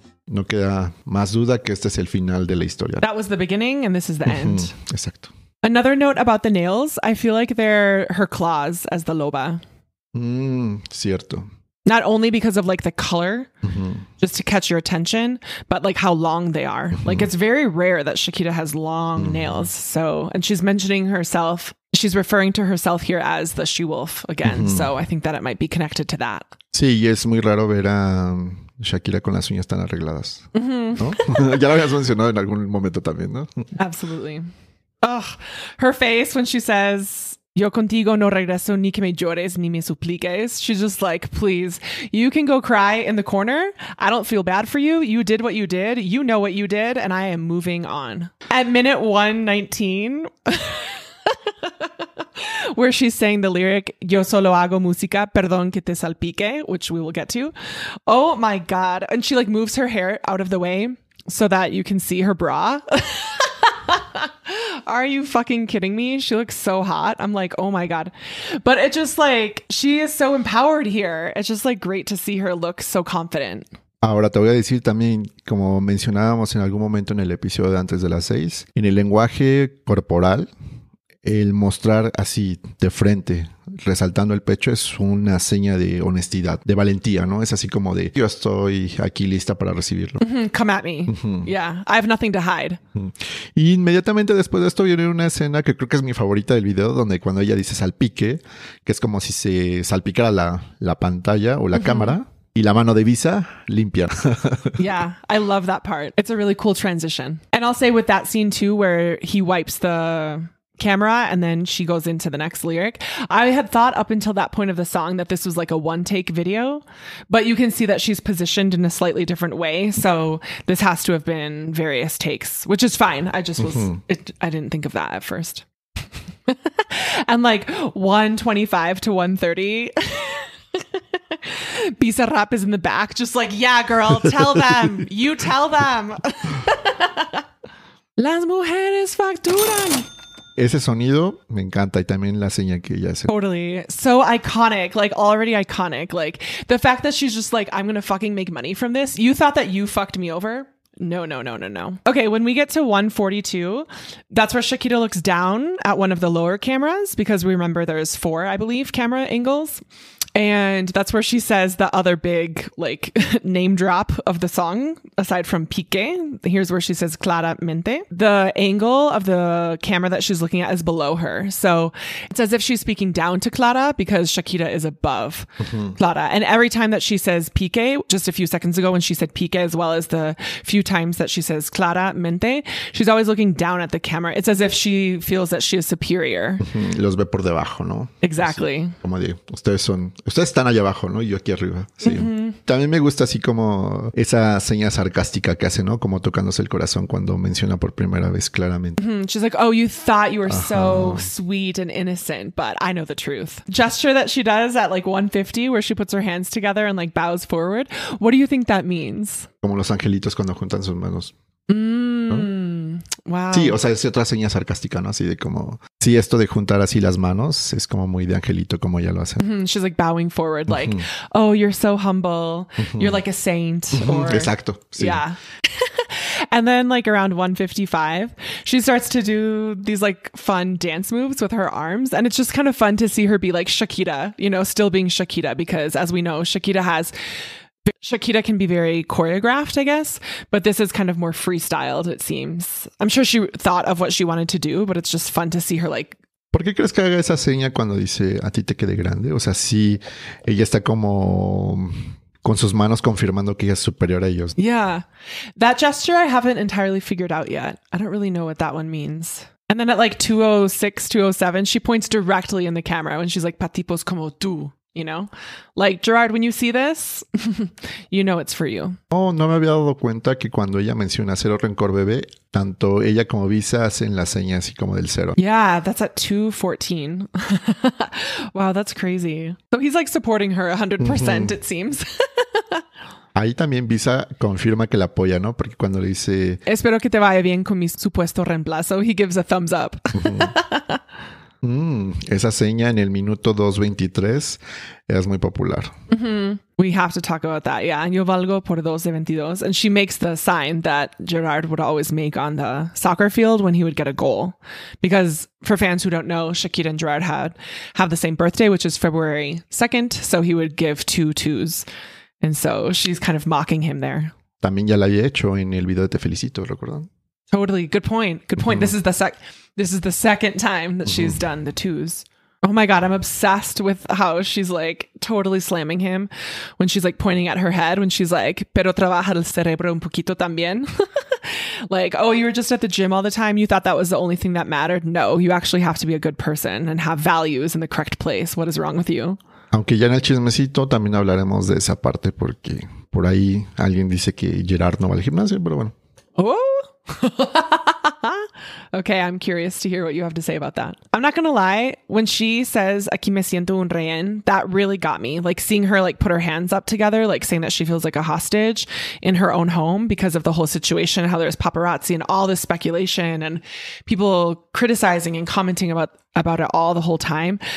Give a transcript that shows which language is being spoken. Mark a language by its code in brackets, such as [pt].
[es] No queda más duda que este es el final de la historia. [en] That was the beginning and this is the end. [es] Exacto. [en] Another note about the nails, I feel like they're her claws as the loba. [es] Cierto. [en] Not only because of like the color, just to catch your attention, but like how long they are. Like it's very rare that Shakira has long nails. So, and she's mentioning herself. She's referring to herself here as the she-wolf again. So I think that it might be connected to that. [es] Sí, y es muy raro ver a Shakira con las uñas tan arregladas. ¿No? Ya lo habías mencionado en algún momento también, ¿no? [en] Absolutely. Oh, her face when she says, [es] "Yo contigo no regreso ni que me llores ni me supliques." [en] She's just like, please, you can go cry in the corner. I don't feel bad for you. You did what you did. You know what you did. And I am moving on. At minute 119... where she's saying the lyric, [es] "Yo solo hago música, perdón que te salpique," [en] which we will get to. Oh my God. And she like moves her hair out of the way so that you can see her bra. Are you fucking kidding me? She looks so hot. I'm like, oh my God. But it just like, she is so empowered here. It's just like great to see her look so confident. [es] Ahora te voy a decir también, como mencionábamos en algún momento en el episodio de antes de las 6, en el lenguaje corporal, el mostrar así de frente, resaltando el pecho, es una seña de honestidad, de valentía, ¿no? Es así como de, yo estoy aquí lista para recibirlo. [en] Come at me. Yeah, I have nothing to hide. [es] Y inmediatamente después de esto viene una escena que creo que es mi favorita del video, donde cuando ella dice salpique, que es como si se salpicara la pantalla o la cámara, y la mano de Visa limpia. [en] Yeah, I love that part. It's a really cool transition. And I'll say with that scene too, where he wipes the camera and then she goes into the next lyric, I had thought up until that point of the song that this was like a one take video, but you can see that she's positioned in a slightly different way, so this has to have been various takes, which is fine. I just was I didn't think of that at first. and like 125 to 130. Bizarrap is in the back just like, yeah, girl, tell them. You tell them. [es] Las mujeres facturan. Ese sonido me encanta y también la señal que ella hace. [en] Totally. So iconic. Like, already iconic. Like, the fact that she's just like, I'm gonna fucking make money from this. You thought that you fucked me over? No, no, no, no, no. Okay, when we get to 142, that's where Shakira looks down at one of the lower cameras, because we remember there's four, I believe, camera angles. And that's where she says the other big, like, name drop of the song, aside from Pique. Here's where she says claramente. The angle of the camera that she's looking at is below her. So it's as if she's speaking down to Clara, because Shakira is above Clara. And every time that she says Pique, just a few seconds ago when she said Pique, as well as the few times that she says claramente, she's always looking down at the camera. It's as if she feels that she is superior. [es] Mm-hmm. Los ve por debajo, ¿no? [en] Exactly. [es] Así, como digo, ustedes son... Ustedes están allá abajo, ¿no? Y yo aquí arriba. Sí. Mm-hmm. También me gusta así como esa seña sarcástica que hace, ¿no? Como tocándose el corazón cuando menciona por primera vez claramente. Mm-hmm. [en] She's like, oh, you thought you were so sweet and innocent, but I know the truth. Gesture that she does at like 150, where she puts her hands together and like bows forward. What do you think that means? [es] Como los angelitos cuando juntan sus manos. ¿No? Wow. Sí, o sea, es otra seña sarcástica, ¿no? Así de como... Sí, esto de juntar así las manos es como muy de angelito, como ella lo hace. [en] Mm-hmm. She's like bowing forward, like, oh, you're so humble. Mm-hmm. You're like a saint. [es] Or... Exacto. Sí. [en] Yeah. And then like around 155, she starts to do these like fun dance moves with her arms. And it's just kind of fun to see her be like Shakira, you know, still being Shakira. Because as we know, Shakira can be very choreographed, I guess, but this is kind of more freestyled, it seems. I'm sure she thought of what she wanted to do, but it's just fun to see her like... [es] ¿Por qué crees que haga esa seña cuando dice a ti te quede grande? O sea, sí, ella está como con sus manos confirmando que ella es superior a ellos. [en] Yeah, that gesture I haven't entirely figured out yet. I don't really know what that one means. And then at like 206, 207, she points directly in the camera when she's like, [es] pa tipos como tú. [en] You know, like Gerard, when you see this, you know it's for you. [es] Oh, no me había dado cuenta que cuando ella menciona cero rencor, bebé, tanto ella como Visa hacen la seña así como del cero. [en] Yeah, that's at 214. Wow, that's crazy. So he's like supporting her 100%, mm-hmm. It seems. [es] Ahí también Visa confirma que la apoya, ¿no? Porque cuando le dice... Espero que te vaya bien con mi supuesto reemplazo. [en] He gives a thumbs up. Mm-hmm. [es] Esa seña en el minuto 2:23 es muy popular. [en] Mm-hmm. We have to talk about that. Yeah, [es] yo valgo por 2:22. [en] And she makes the sign that Gerard would always make on the soccer field when he would get a goal. Because for fans who don't know, Shakira and Gerard have the same birthday, which is February 2nd. So he would give 2-2s. And so she's kind of mocking him there. [es] También ya la había hecho en el video de Te Felicito, ¿recuerdan? [en] Totally. Good point. Good point. Mm-hmm. This is the second time that she's done the twos. Oh my God, I'm obsessed with how she's like totally slamming him when she's like pointing at her head, when she's like, [es] pero trabaja el cerebro un poquito también. [en] Like, oh, you were just at the gym all the time. You thought that was the only thing that mattered. No, you actually have to be a good person and have values in the correct place. What is wrong with you? [es] Aunque ya en el chismecito también hablaremos de esa parte, porque por ahí alguien dice que Gerard no va al gimnasio, pero bueno. [en] Oh, okay, I'm curious to hear what you have to say about that. I'm not gonna lie, when she says [es] aquí me siento un rehén, [en] that really got me, like seeing her like put her hands up together, like saying that she feels like a hostage in her own home because of the whole situation, how there's paparazzi and all this speculation and people criticizing and commenting about it all the whole time.